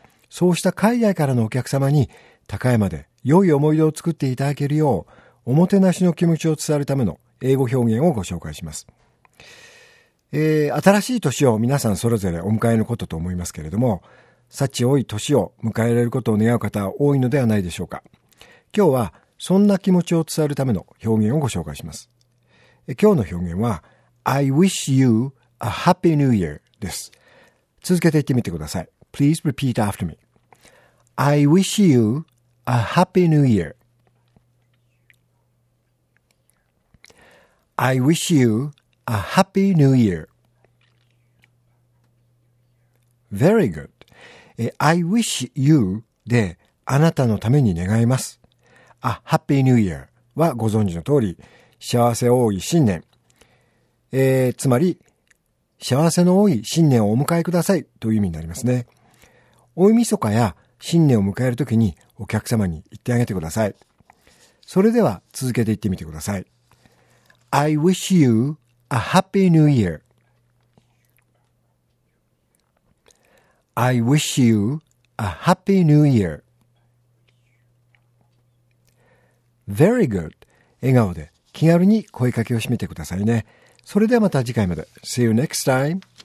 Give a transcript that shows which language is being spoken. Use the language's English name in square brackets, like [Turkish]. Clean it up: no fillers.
[Japanese] そうした海外からのお客様に高山で良い思い出を作っていただけるよう、おもてなしの気持ちを伝えるための英語表現をご紹介します。新しい年を皆さんそれぞれお迎えのことと思いますけれども、幸多い年を迎えられることを願う方多いのではないでしょうか。今日はそんな気持ちを伝えるための表現をご紹介します。今日の表現は [English] I wish you a happy new year [Japanese] です。続けて言ってみてください。 [English] Please repeat after me. I wish you a happy new year. I wish youA happy new year. Very good. I wish you [Japanese] で、あなたのために願います。 [English] A happy new year [Japanese] はご存知の通り、幸せ多い新年。つまり、幸せの多い新年をお迎えくださいという意味になりますね。大晦日や新年を迎えるときにお客様に言ってあげてください。それでは続けて言ってみてください。 [English] I wish youA happy new year. I wish you a happy new year. Very good. [Japanese] 笑顔で気軽に声かけをしてみてくださいね。それではまた次回まで。 [English] See you next time.